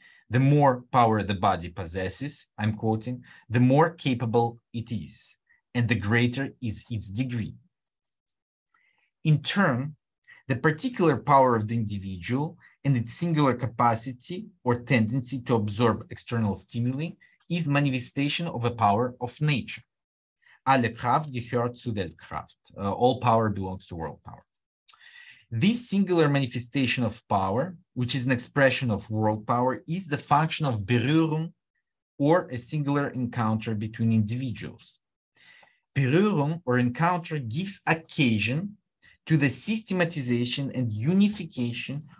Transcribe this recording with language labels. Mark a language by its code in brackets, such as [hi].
[en] The more power the body possesses, I'm quoting, the more capable it is, and the greater is its degree. In turn, the particular power of the individual and its singular capacity or tendency to absorb external stimuli is manifestation of a power of nature. [de] Alle Kraft gehört zu Weltkraft. [en] All power belongs to world power. This singular manifestation of power, which is an expression of world power, is the function of Berührung, or a singular encounter between individuals. Berührung, or encounter, gives occasion to the systematization and unification